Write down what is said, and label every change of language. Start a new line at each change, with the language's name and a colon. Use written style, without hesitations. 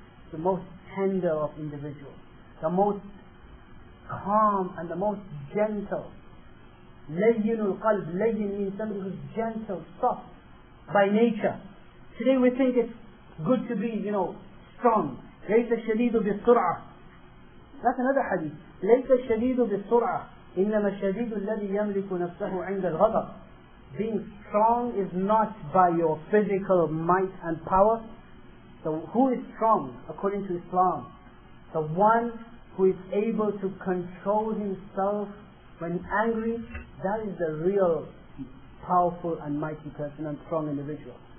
English: The most tender of individuals. The most calm and the most gentle.
Arabic: لَيَّنُ الْقَلْبِ.
English: لَيَّن means somebody who's gentle, soft. By nature. Today we think it's good to be, you know, strong.
Arabic: ليس الشديد بالسرعة.
English: That's another hadith.
Arabic: ليس الشديد بالسرعة. إنما الشديد الذي يملك نفسه عند الغضب.
English: Being strong is not by your physical might and power. So who is strong according to Islam? The one who is able to control himself when angry, that is the real powerful and mighty person and strong individual.